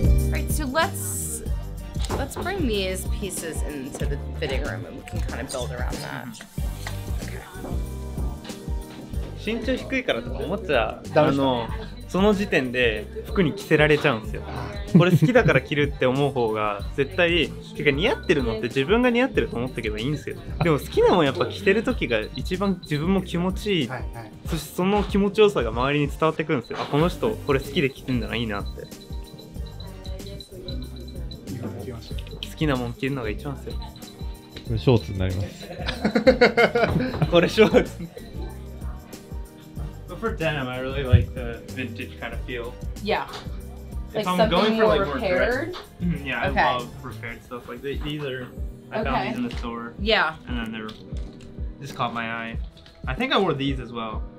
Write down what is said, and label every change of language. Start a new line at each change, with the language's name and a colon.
English: Right, so let's bring these pieces into the fitting room and we can kind of build around that.
Japanese: 身長低いからとか思っちゃ、あのその時点で服に着せられちゃうんですよ。これ好きだから着るって思う方が絶対、てか似合ってるのって自分が似合ってると思ったけどいいんですよ。でも好きなもんやっぱ着てる時が一番自分も気持ちいい、はいはい、そしてその気持ちよさが周りに伝わってくるんですよ。あ、この人これ好きで着てんだな、いいなって。好きなもん着るのが一番ですよ。これショーツになります。これショーツ。
English: For denim, I really like the vintage kind of feel. Yeah. If like I'm going for like more dress, yeah, I love repaired stuff. Like these are, I found these in the store. Yeah. And then they're just caught my eye. I think I wore these as well.